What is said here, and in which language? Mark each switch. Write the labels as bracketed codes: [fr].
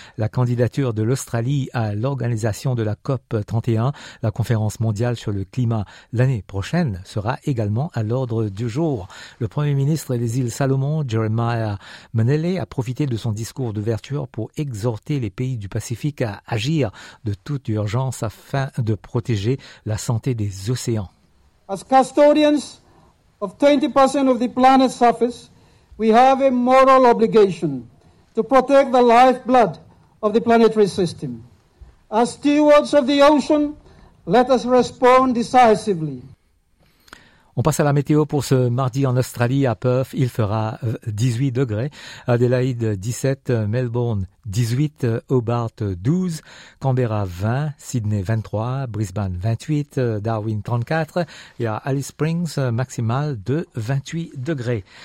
[fr] La candidature de l'Australie à l'organisation de la COP31, la conférence mondiale sur le climat l'année prochaine, sera également à l'ordre du jour. Le premier ministre des îles Salomon, Jeremiah Manele, a profité de son discours d'ouverture pour exhorter les pays du Pacifique à agir de toute urgence afin de protéger la santé des océans. [en] As custodians of 20% of the planet's surface, we have a moral obligation to protect the lifeblood of the planetary system. As stewards of the ocean, let us respond decisively. [fr] On passe à la météo pour ce mardi en Australie, à Perth. Il fera 18 degrés, Adélaïde 17, Melbourne 18, Hobart 12, Canberra 20, Sydney 23, Brisbane 28, Darwin 34 et à Alice Springs maximale de 28 degrés.